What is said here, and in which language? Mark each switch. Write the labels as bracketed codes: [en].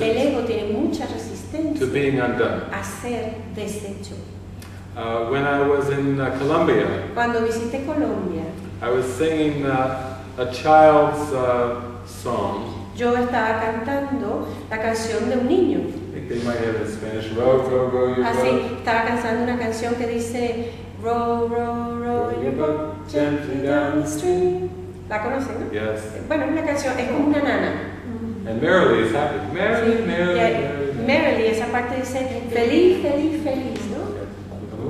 [es] el ego tiene mucha resistencia [en] to being undone. [es] A ser deshecho. [en] When I was in Colombia, [es] cuando visité Colombia, [en] I was singing a child's song. [es] Yo estaba cantando la canción de un niño. [en] They might have a Spanish row, row, row your boat. [es] Así, estaba cantando una canción que dice [en] row, row, row, row your boat gently down the stream. [es] ¿La conocen? No? [en] Yes. [es] Bueno, es una canción, es como una nana. [en] And merrily is happy. Merrily, [es] sí. [en] Merrily, yeah. Merrily. Merrily, [es] esa parte dice feliz, feliz, feliz, ¿no?